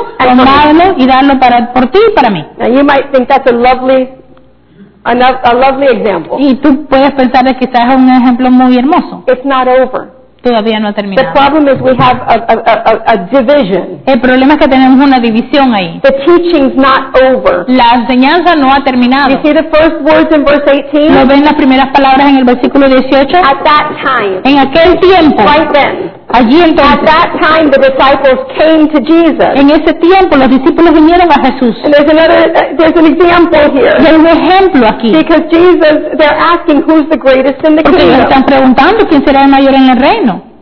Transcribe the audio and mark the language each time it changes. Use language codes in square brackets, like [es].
[es] Tomarlo y darlo para por ti y para mí. [en] Now you might think that's a lovely example. [es] Y tú puedes pensar que quizás es un ejemplo muy hermoso. [en] It's not over. [es] Todavía no ha terminado. [en] The problem is we have a division. [es] El problema es que tenemos una división ahí. [en] The teaching's not over. [es] La enseñanza no ha terminado. [en] You see the first words in verse 18? [es] ¿No ven las primeras palabras en el versículo 18? [en] At that time. [es] En aquel tiempo. [en] Right then. [es] Allí entonces. [en] At that time the disciples came to Jesus. [es] En ese tiempo los discípulos vinieron a Jesús. [en] And there's an example here. [es] Y hay un ejemplo aquí. [en] Because Jesus, they're asking who's the greatest in the kingdom. [es] Porque ellos están preguntando quién será el mayor en el reino.